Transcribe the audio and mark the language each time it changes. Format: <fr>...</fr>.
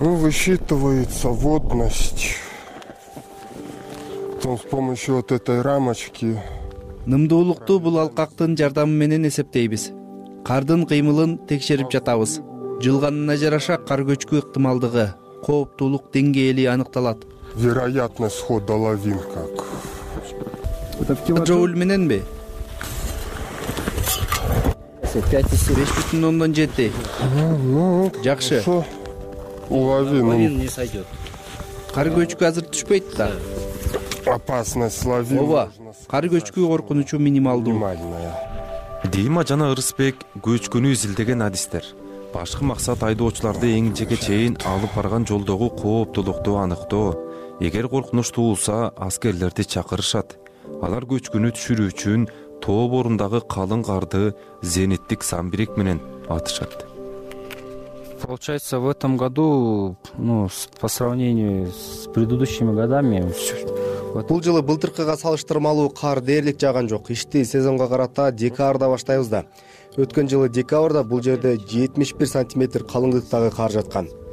<ru>высчитывается водность. Там с помощью вот этой рамочки.</ru> <ky>Нымдуулукту бул алкактын жардамы менен эсептейбиз. Кардын кыймылын текшерип жатабыз. Жылганына жараша кар көчкү ыктымалдыгы, кооптуулук деңгээли аныкталат.</ky> <ru>Вероятность хода лавин как.</ru> <ky>Джоуль мененби? 5.5.7. Жакшы.</ky> <ru>Лавин не сойдет.</ru> <ky>Кар көчкү азыр түшпөйт да.</ky> <ru>Опасность лавин.</ru> <ky>Ооба, кар көчкү коркунучу минималдуу. Дима жана Ырысбек көчкүнү изилдеген адистер. Башкы максат айдоочуларды эңилчеге чейин алып барган жолдогу кооптуулукту аныктоо. Эгер коркунуч туулса, аскерлерди чакырышат. Алар көчкүнү түшүрүү үчүн тоо борундагы калың карды зениттик самбирек менен атышат.</ky> <ru>Получается, в этом году, ну, по сравнению с предыдущими годами,</ru> <ky>бул жылы былтыркыга салыштырмалуу кар дээрлик жааган жок. Ишти сезонго карата декабрда баштайбыз да. Өткөн жылы декабрда бул жерде 71 сантиметр калыңдыктагы кар жаткан.</ky>